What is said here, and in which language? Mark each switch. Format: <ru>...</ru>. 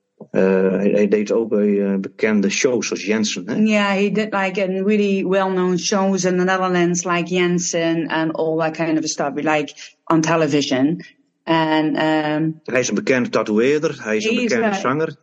<nl>Hij deed ook bij bekende shows zoals Jensen.</nl> <en>Ja, he did like in really well-known shows in the Netherlands, like Jensen and all that kind of stuff, like on television. And,</en> <nl>hij is een bekende tatoeëerder. Hij is een bekende zanger.</nl>